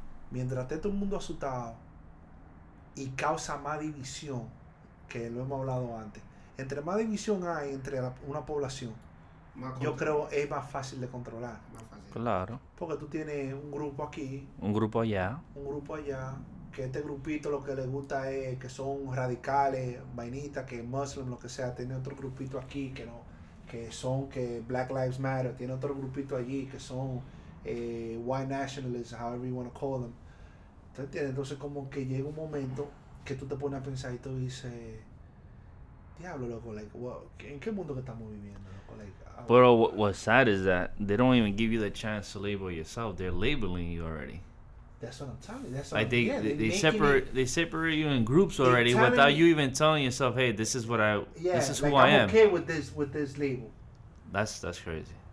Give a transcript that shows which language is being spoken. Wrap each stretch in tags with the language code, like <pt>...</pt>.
<es>Mientras esté todo el mundo asustado y causa más división, que lo hemos hablado antes, entre más división hay entre una población, yo creo es más fácil de controlar. Más fácil. Claro. Porque tú tienes un grupo aquí. Un grupo allá. Que este grupito lo que le gusta es que son radicales, vainitas, que muslim, lo que sea. Tiene otro grupito aquí que no, que son que Black Lives Matter. Tiene otro grupito allí que son...</es> <en>white nationalists, however you want to call them.</en> <es>¿Tú entiendes? Entonces como que llega un momento que tú te pones a pensar y tú dices, diablo, loco,</es> <en>like, well,</en> <es>¿en qué mundo que estamos viviendo, loco?</es> <en>Like, but what's sad is that they don't even give you the chance to label yourself. They're labeling you already. That's what I'm telling you. That's what they separate you in groups already without you even telling yourself, hey, this is what I, this is like, who I'm I am. I'm okay with this label. That's crazy.</en>